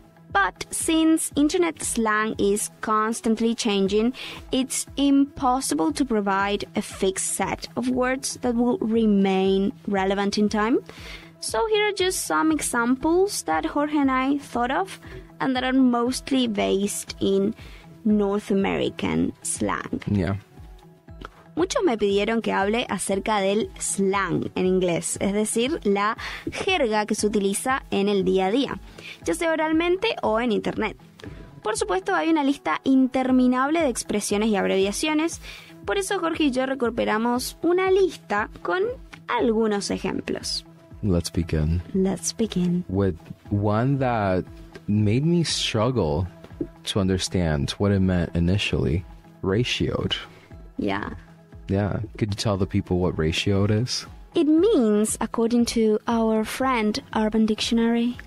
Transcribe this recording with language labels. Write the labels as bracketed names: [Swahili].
[English] But since internet slang is constantly changing, it's impossible to provide a fixed set of words that will remain relevant in time. So here are just some examples that Jorge and I thought of and that are mostly based in North American slang. Yeah. [Spanish] Muchos me pidieron que hable acerca del slang en inglés, es decir, la jerga que se utiliza en el día a día, ya sea oralmente o en internet. Por supuesto, hay una lista interminable de expresiones y abreviaciones, por eso Jorge y yo recuperamos una lista con algunos ejemplos. [English] Let's begin. Let's begin. With one that made me struggle to understand what it meant initially, ratioed. Yeah. Yeah. Could you tell the people what ratioed is? It means, according to our friend, Urban Dictionary.